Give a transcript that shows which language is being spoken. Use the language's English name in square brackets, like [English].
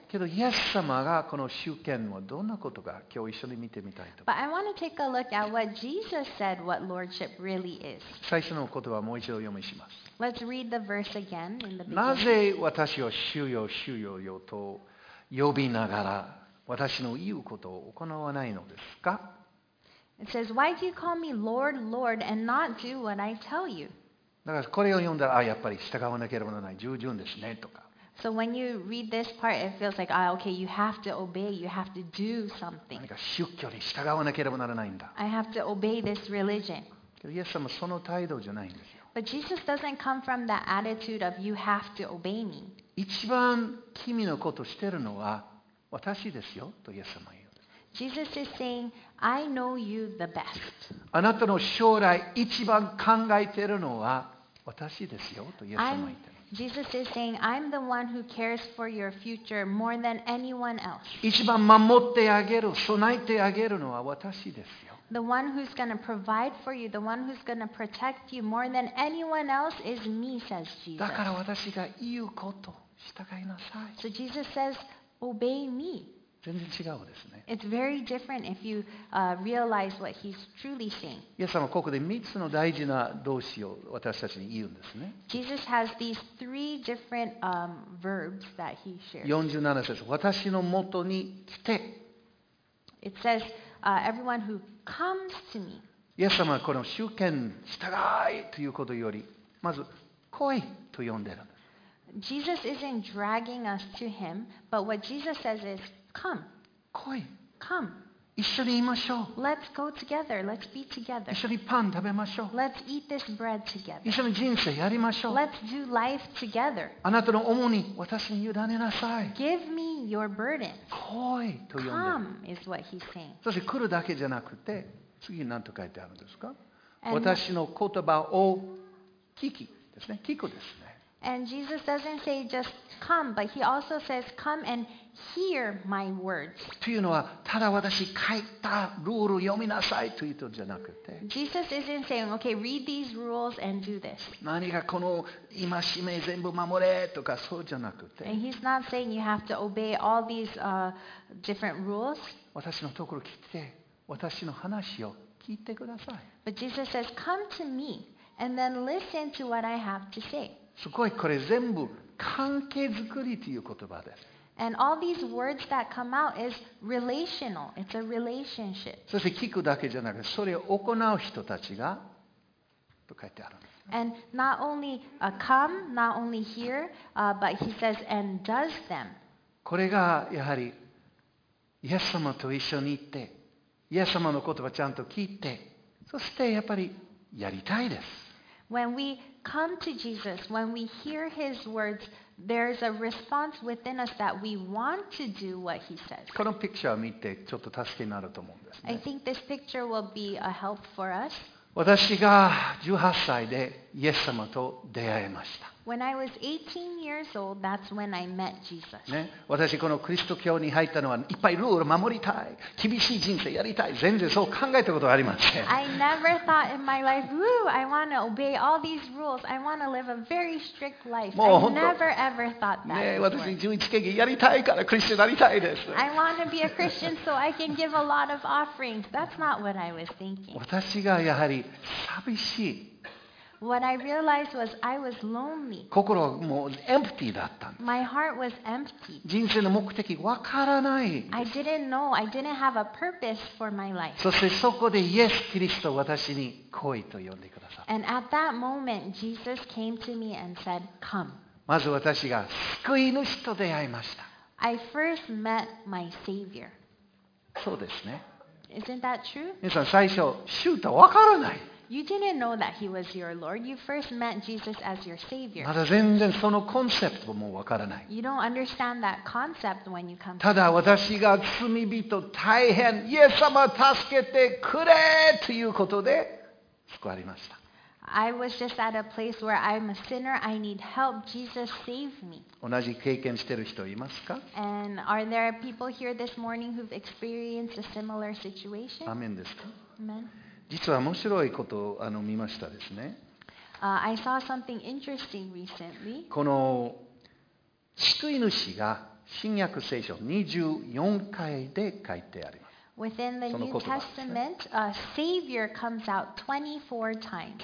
[Japanese] けどイエス様がこの主権はどんなことか今日一緒に見てみたいと思います。 [English] But I want to take a look at what Jesus said what lordship really is. [Japanese] 最初の言葉をもう一度読みします。 [English] Let's read the verse again in the beginning. [Japanese] なぜ私を主よ主よよと呼びながら私の言うことを行わないのですか? [English] It says, "Why do you call me Lord, Lord, and not do what I tell you?" [Japanese] だからこれを読んだら、あ、やっぱり従わなければならない、従順ですねとか。 [English] So when you read this part, it feels like, ah, okay, you have to obey, you have to do something. [Japanese] 何か宗教に従わなければならないんだ。 [English] I have to obey this religion. [Japanese] けどイエス様はその態度じゃないんですよ。 [English] But Jesus doesn't come from that attitude of you have to obey me. [Japanese] 一番君のことをしてるのは私ですよとイエス様は言う。 [English] Jesus is saying, I know you the best. [Japanese] あなたの将来一番考えているのは私ですよとイエス様は言っている。 [English] Jesus is saying, I'm the one who cares for your future more than anyone else. [Japanese] 一番守ってあげる、備えてあげるのは私ですよ。 [English] The one who's going to provide for you, the one who's going to protect you more than anyone else is me, says Jesus. [Japanese] だから私が言うことを従いなさい。 [English] So Jesus says, obey me. [Japanese] 全然違うですね。 [English] It's very different if you realize what he's truly saying. [Japanese] イエス様はここで3つの大事な動詞を私たちに言うんですね。 [English] Jesus has these three different verbs that he shares. [Japanese] 47節、私の元に来て。 [English] It says, everyone who comes to me. [Japanese] イエス様はこの主権従いということより、まず来いと呼んでいるんです。 [English] Jesus isn't dragging us to him, but what Jesus says is, Come. [Japanese] 来い。 [English] Come. [Japanese] 一緒に言いましょう。 [English] Let's go together. Let's be together. [Japanese] 一緒にパン食べましょう。 [English] Let's eat this bread together. [Japanese] 一緒に人生やりましょう。 [English] Let's do life together. [Japanese] あなたの重荷、私に委ねなさい。 [English] Give me your burden. [Japanese] 来いと呼んで [English] る。Come is what he's saying. [Japanese] そして来るだけじゃなくて、次何と書いてあるんですか？私の言葉を聞きですね。聞くですね。 [English] And Jesus doesn't say just come, but he also says come and hear my words. [Japanese] というのは、ただ私書いたルール読みなさいという人じゃなくて、 [English] Jesus isn't saying, okay, read these rules and do this. [Japanese] 何かこの戒め全部守れとかそうじゃなくて、 [English] And he's not saying you have to obey all these different rules. [Japanese] 私のところ来て、私の話を聞いてください。 [English] But Jesus says, come to me and then listen to what I have to say. [Japanese] すごいこれ全部関係づくりという言葉です。 [English] And all these words that come out is relational. It's a relationship. [Japanese] そして聞くだけじゃなくて、それを行う人たちがと書いてあるんです。 [English] And not only come, not only hear, but he says and does them. [Japanese] これがやはりイエス様と一緒に行って、イエス様の言葉ちゃんと聞いて、そしてやっぱりやりたいです。 [English] When we come to Jesus, when we hear His words, there's a response within us that we want to do what He says. [Japanese] このピクチャーを見てちょっと助けになると思うんですね。 [English] I think this picture will be a help for us. [Japanese] 私が18歳でイエス様と出会いました。 [English] When I was 18 years old, that's when I met Jesus. [Japanese] ね、私このキリスト教に入ったのはいっぱいルール守りたい、厳しい人生やりたい、全然そう考えたことはありません。 [English] I never thought in my life, woo, I want to obey all these rules. I want to live a very strict life. [Japanese] もう本当。 [English] I never ever thought that. [Japanese] ね、私11世紀やりたいからクリスチャンになりたいです。 [English] I want to be a Christian so I can give a lot of offerings. That's not what I was thinking. [Japanese] 私がやはり寂しい。 [English] What I realized was I was lonely. [Japanese] 心はもうエンプティーだったんです。 [English] My heart was empty. [Japanese] 人生の目的わからない。 [English] I didn't know. I didn't have a purpose for my life. [Japanese] そしてそこでイエス・キリスト私に来いと呼んでくださった。 [English] And at that moment, Jesus came to me and said, "Come." [Japanese] まず私が救い主と出会いました。 [English] I first met my Savior. [Japanese] そうですね。 [English] Isn't that true? [Japanese] 皆さん最初、主とわからない。 [English] You didn't know that he was your Lord. You first met Jesus as your Savior. [Japanese] まだ全然そのコンセプトもわからない。 [English] You don't understand that concept when you come. [Japanese] ただ私が罪人大変、イエス様助けてくれということで救われました。 [English] I was just at a place where I'm a sinner. I need help. Jesus, save me. [Japanese] 同じ経験してる人いますか？ [English] And are there people here this morning who've experienced a similar situation? [Japanese] アメンですか？ [English] Amen. [Japanese] 実は面白いことを見ましたですね。 [English] I saw something interesting recently. [Japanese] この救い主が新約聖書24回で書いてあります。 [English] Within the New Testament, a Savior comes out 24 times.